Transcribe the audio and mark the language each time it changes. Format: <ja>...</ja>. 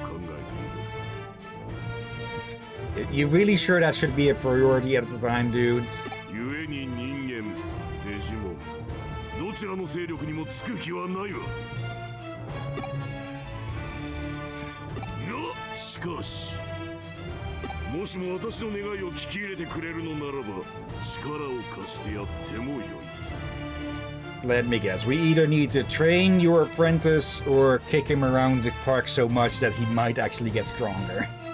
<ja>私は人間とデジモンの争いになど興味はない。一刻も早く我が弟子ハックモンを鍛え、一人前のロイヤルナイツにする。今はただそれだけを考えている。</ja> <en>You really sure that should be a priority at the time, dudes?</en> <ja>故に人間、デジモン、どちらの勢力にもつく気はないわ。いや、しかし。</ja> <en>Let me guess, we either need to train your apprentice or kick him around the park so much that he might actually get stronger.</en>